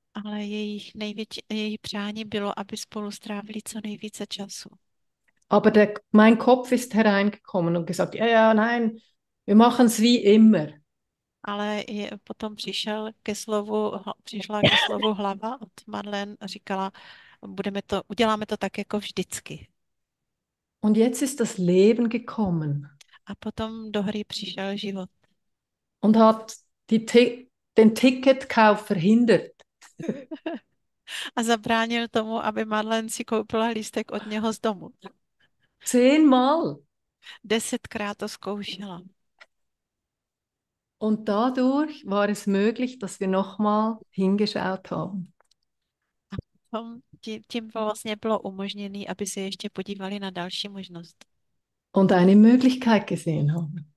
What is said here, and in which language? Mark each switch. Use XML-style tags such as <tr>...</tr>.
<cs>Ale její přání bylo, aby spolu strávili co nejvíce času.</cs> <de>Aber mein Kopf ist hereingekommen und gesagt, ja, nein, wir machen es wie immer.</de> <cs>Ale je, potom přišla ke slovu hlava od Madeleine a říkala, uděláme to tak jako vždycky.</cs> <de>Und jetzt ist das Leben gekommen.</de> <cs>A potom do hry přišel život.</cs> <de>Und hat den Ticketkauf verhindert.</de> <cs>A zabránil tomu, aby Madeleine si koupila lístek od něho z domu.</cs> <de>10-mal.</de> <cs>10krát to zkoušela.</cs> <de>Und dadurch war es möglich, dass wir nochmal hingeschaut haben.</de> <cs>Tím vlastně bylo umožněné, aby se ještě podívali na další možnost.</cs> <de>Und eine Möglichkeit gesehen haben.</de>